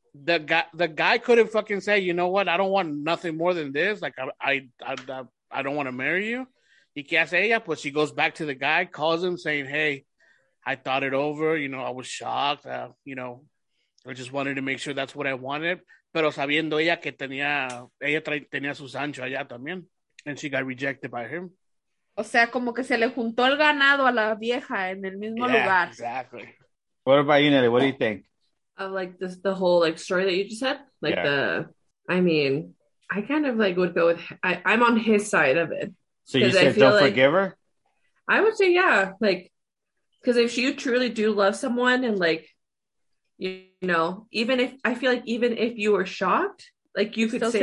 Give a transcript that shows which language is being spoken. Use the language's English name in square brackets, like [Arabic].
[English] The guy could have fucking said, you know what, I don't want nothing more than this. Like, I don't want to marry you. He can't say, yeah, but she goes back to the guy, calls him saying, hey, I thought it over. You know, I was shocked. You know, I just wanted to make sure that's what I wanted. [Spanish] Pero sabiendo ella que tenía su Sancho allá también. [English] And she got rejected by him. [Spanish] O sea, como que se le juntó el ganado a la vieja en el mismo lugar. [English] Exactly. What about you, Nelly? What do you think? Of like this, the whole like story that you just said? Like I mean, I kind of like would go with, I'm on his side of it. So you said don't forgive her? I would say, yeah. Like, because if you truly do love someone and like, you know, even if you were shocked, like you could